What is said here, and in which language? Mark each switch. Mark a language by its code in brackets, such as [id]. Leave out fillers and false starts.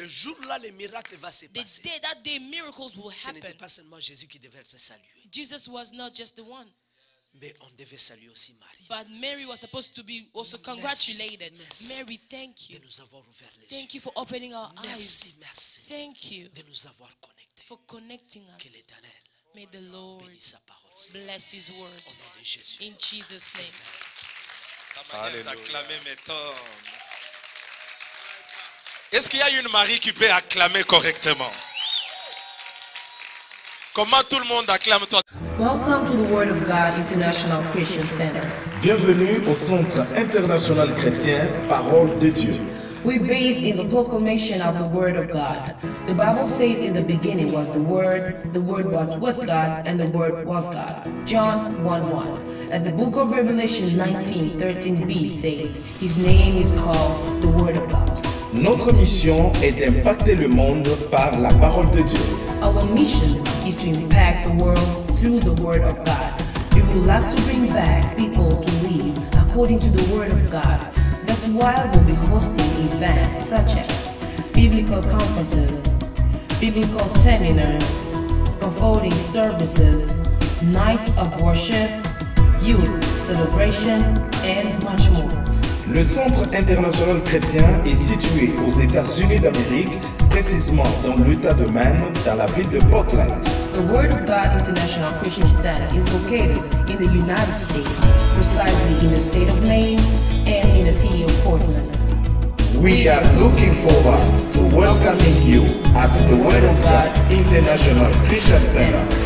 [fr] Le jour-là, les miracles vont se passer. [en] The day that the miracles will happen. [fr] Ce n'était pas seulement Jésus qui devait être salué. [en] Jesus was not just the one. [fr] Mais on devait saluer aussi Marie. [en] But Mary was supposed to be also congratulated. [fr] Merci. [en] Mary, thank you. [fr] De nous avoir ouvert les [en] thank Thank you for opening our [fr] merci, [en] eyes. [fr] Merci. [en] Thank you. [fr] De nous avoir connectés. [en] For connecting us. [fr] Que l'Éternel [en] may the Lord [fr] bénisse sa parole. [en] Bless his word. [fr] Au nom de Jésus. [en] In Jesus' name. Amen. [fr] Ta manière d'acclamer m'étonne. Est-ce qu'il y a une Marie qui peut acclamer correctement? Comment tout le monde acclame-toi? [en] Welcome to the Word of God International Christian Center. [fr] Bienvenue au Centre International Chrétien Parole de Dieu. [en] We're based in the proclamation of the Word of God. The Bible says in the beginning was the Word was with God, and the Word was God. John 1:1. And the book of Revelation 19:13b says, His name is called the Word of God. [fr] Notre mission est d'impacter le monde par la parole de Dieu. [en] Our mission is to impact the world through the Word of God. We would like to bring back people to live according to the Word of God. That's why we'll be hosting events such as biblical conferences, biblical seminars, comforting services, nights of worship, youth celebration, and much more. [fr] Le Centre international chrétien est situé aux États-Unis d'Amérique, précisément dans l'État de Maine, dans la ville de Portland. [en] The Word of God International Christian Center is located in the United States, precisely in the state of Maine and in the city of Portland. We are looking forward to welcoming you at the Word of God International Christian Center.